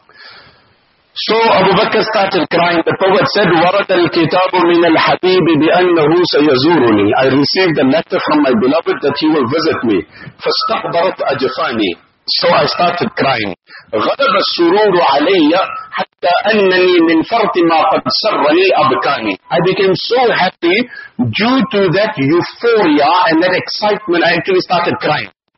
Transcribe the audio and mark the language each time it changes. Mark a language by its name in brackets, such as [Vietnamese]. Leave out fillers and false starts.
[English] So Abu Bakr started crying. The poet said, [Arabic] وَرَدَ الْكِتَابُ مِنَ الْحَبِيبِ بِأَنَّهُ سَيَزُورُنِي. [English] I received a letter from my beloved that he will visit me. [Arabic] فَاسْتَقْبَرَتْ أَجْفَانِي. [English] So I started crying. [Arabic] غَدَبَ السُّرُورُ عَلَيَّ حَتَّى أَنَّنِي مِنْ فَرْتِ مَا قَدْ سَرَّنِي أَبْكَانِي. [English] I became so happy due to that euphoria and that excitement, I actually started crying.